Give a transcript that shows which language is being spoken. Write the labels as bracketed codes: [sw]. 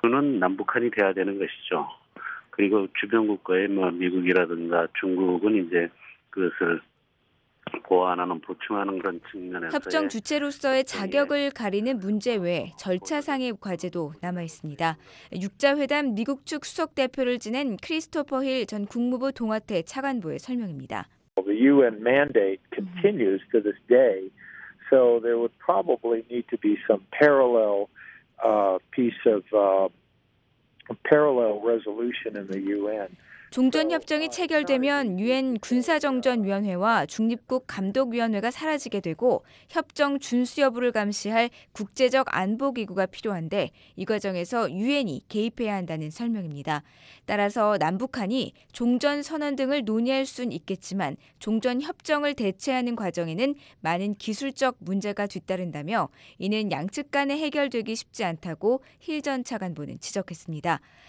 [ko] 그는 남북한이 돼야 되는 것이죠. 그리고 주변국가의 미국이라든가 중국은 이제 그것을 보완하는, 보충하는 그런 측면에서 협정 주체로서의 자격을 가리는 문제 외 절차상의 과제도 남아있습니다. 6자회담 미국 측 수석대표를 지낸 크리스토퍼 힐 전 국무부 동아태 차관보의 설명입니다. [en] The UN mandate continues to this day, so there would probably need to be some parallel piece of parallel resolution in the UN. [ko] 종전협정이 체결되면 유엔 군사정전위원회와 중립국 감독위원회가 사라지게 되고 협정 준수 여부를 감시할 국제적 안보기구가 필요한데 이 과정에서 유엔이 개입해야 한다는 설명입니다. 따라서 남북한이 종전선언 등을 논의할 수는 있겠지만 종전협정을 대체하는 과정에는 많은 기술적 문제가 뒤따른다며 이는 양측 간에 해결되기 쉽지 않다고 힐 전 차관보는 지적했습니다.